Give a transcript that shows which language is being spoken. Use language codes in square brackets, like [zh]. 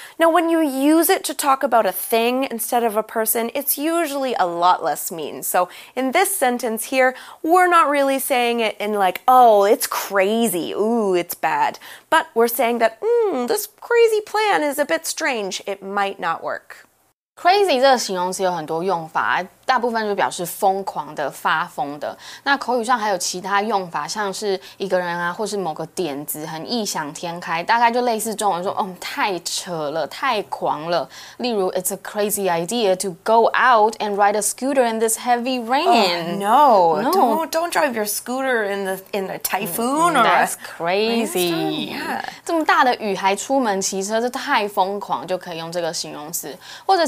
[en] Now, when you use it to talk about a thing instead of a person, it's usually a lot less mean. So in this sentence here, we're not really saying it in like, oh, it's crazy, ooh, it's bad. But we're saying that, this crazy plan is a bit strange, it might not work. [zh] Crazy 这个形容词有很多用法，大部分就表示疯狂的、发疯的。那口语上还有其他用法，像是一个人啊，或是某个点子很异想天开，大概就类似中文说，哦，太扯了，太狂了。例如 [en] ，It's a crazy idea to go out and ride a scooter in this heavy rain. No, don't drive your scooter in the typhoon. That's crazy. Yeah. [zh] 这么大的雨还出门骑车，这太疯狂，就可以用这个形容词，或者。